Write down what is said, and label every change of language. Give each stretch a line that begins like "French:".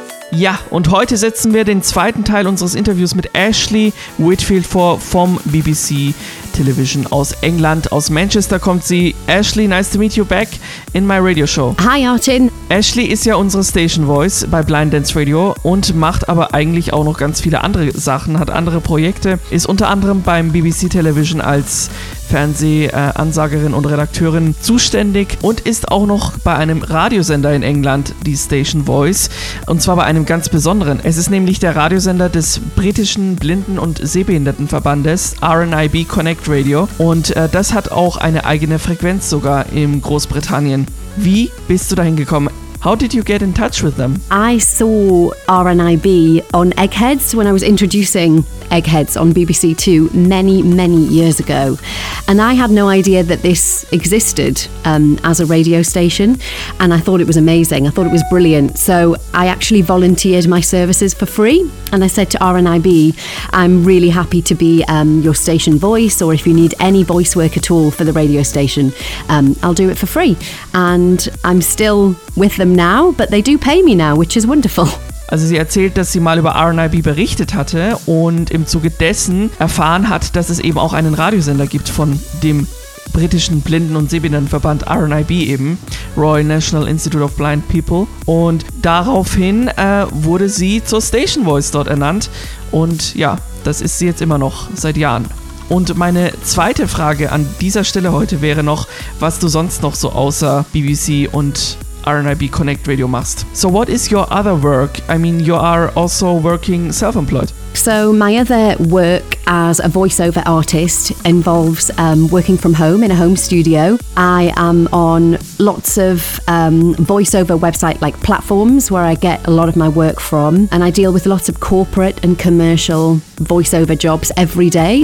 German: Ja, und heute setzen wir den zweiten Teil unseres Interviews mit Ashley Whitfield vor vom BBC Television aus England. Aus Manchester kommt sie.
English: Ashley, nice to meet you back in my radio show. Hi Artin.
German: Ashley ist ja unsere Station Voice bei Blind Dance Radio und macht aber eigentlich auch noch ganz viele andere Sachen, hat andere Projekte, ist unter anderem beim BBC Television als Fernsehansagerin und Redakteurin zuständig und ist auch noch bei einem Radiosender in England, die Station Voice, und zwar bei einem ganz besonderen. Es ist nämlich der Radiosender des britischen Blinden- und Sehbehindertenverbandes, RNIB Connect Radio, und das hat auch eine eigene Frequenz sogar in Großbritannien. Wie bist du dahin gekommen?
English: How did you get in touch with them? I saw RNIB on Eggheads when I was introducing Eggheads on BBC Two many, many years ago. And I had no idea that this existed as a radio station. And I thought it was amazing. I thought it was brilliant. So I actually volunteered my services for free. And I said to RNIB, I'm really happy to be your station voice, or if you need any voice work at all for the radio station, I'll do it for free. And I'm still with them now, but they do pay me now, which is wonderful.
German: Also sie erzählt, dass sie mal über RNIB berichtet hatte und im Zuge dessen erfahren hat, dass es eben auch einen Radiosender gibt von dem britischen Blinden- und Sehbehindertenverband RNIB eben, Royal National Institute of Blind People, und daraufhin wurde sie zur Station Voice dort ernannt, und ja, das ist sie jetzt immer noch seit Jahren. Und meine zweite Frage an dieser Stelle heute wäre noch, was du sonst noch so außer BBC und RNIB Connect Radio machst.
English: So what is your other work? I mean, you are also working self-employed. So my other work as a voiceover artist involves working from home in a home studio. I am on lots of voiceover website like platforms where I get a lot of my work from, and I deal with lots of corporate and commercial voiceover jobs every day.